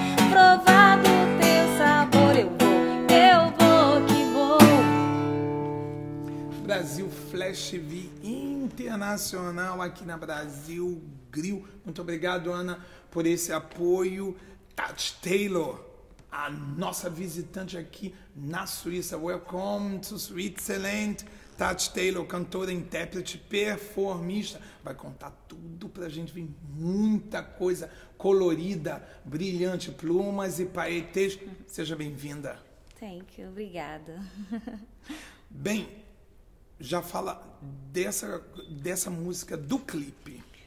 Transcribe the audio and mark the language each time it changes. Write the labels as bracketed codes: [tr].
[pt] Provar do teu sabor, eu vou que vou. Brasil Flash V Internacional aqui na Brasil Grill. Muito obrigado, Ana, por esse apoio. Tati Taylor, a nossa visitante aqui na Suíça. [en] Welcome to Switzerland. [pt] Tati Taylor, cantora, intérprete, performista. Vai contar tudo pra gente. Vem muita coisa colorida, brilhante, plumas e paetês. Seja bem-vinda. [en] Thank you. [pt] Obrigada. Bem, já fala dessa música, do clipe.